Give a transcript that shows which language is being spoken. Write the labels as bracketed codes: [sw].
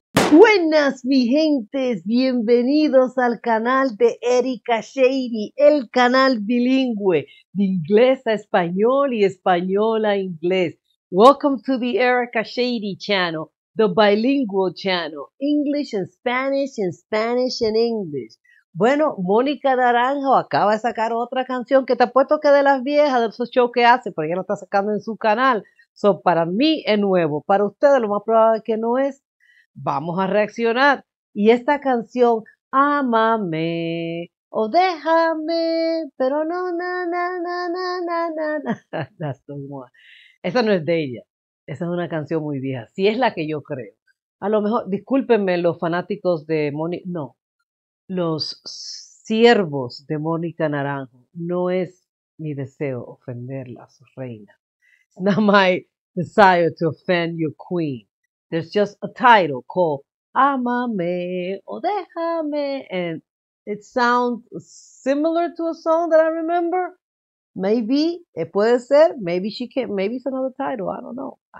[es] Buenas, mi gentes, bienvenidos al canal de Erika Shady, el canal bilingüe de inglés a español y español a inglés. [en] Welcome to the Erika Shady channel, the bilingual channel, English and Spanish and English. [es] Bueno, Mónica Naranjo acaba de sacar otra canción que te apuesto que de las viejas, de esos shows que hace, porque ella lo está sacando en su canal. So, para mí es nuevo, para ustedes lo más probable es que no es. Vamos a reaccionar. Y esta canción, Ámame o Déjame, pero no, na, na, na, na, na, na, na. [en] That's the one. [es] Esa no es de ella. Esa es una canción muy vieja. Sí, es la que yo creo. A lo mejor, discúlpenme los fanáticos de Mónica, no, los siervos de Mónica Naranjo. No es mi deseo ofenderla, su reina. [en] It's not my desire to offend your queen. There's just a title called Ámame o Déjame, and it sounds similar to a song that I remember. Maybe, it [es] puede ser, [en] maybe she can, maybe it's another title, I don't know.